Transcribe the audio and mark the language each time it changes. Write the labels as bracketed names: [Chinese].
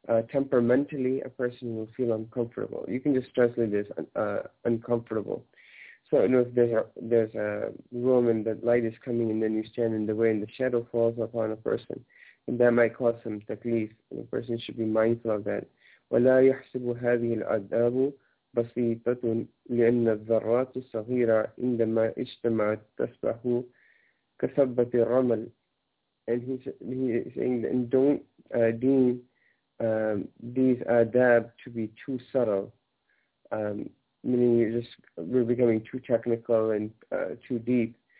[English] Temperamentally, a person will feel uncomfortable. You can just translate this uncomfortable. So, you know, if there's a room and the light is coming and then you stand in the way and the shadow falls upon a person, and that might cause some taklif. A person should be mindful of that. [Arabic] وَلَا يَحْسِبُ هَذِهِ الْعَدَابُ بسيطة لأن الذرات الصغيرة عندما اجتمعت تصبح كثبة الرمل. [English] And he's saying, and don't deem these adab to be too subtle, meaning we're becoming too technical and too deep.